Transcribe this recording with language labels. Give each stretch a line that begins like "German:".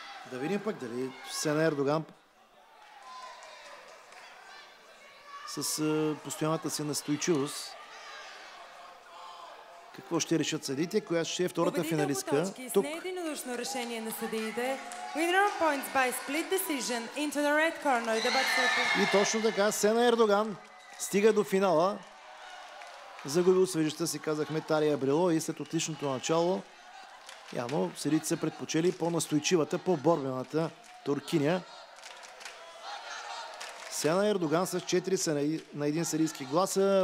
Bulgarian: Да видим пък дали Сена Ердоган с постоянната си настойчивост какво ще решат съдиите, коя ще е втората финалистка. Победител по точки с неединодушно решение на съдиите.
English: Winner of points by split decision into the red corner.
Bulgarian: И точно така, Сена Ердоган стига до финала. Загуби от свежеста си, казахме, Талия Брило и след отличното начало явно съдиите са предпочели по-настойчивата, по-борбената туркиня. Сена Ердоган с 4 са на един сирийски гласа.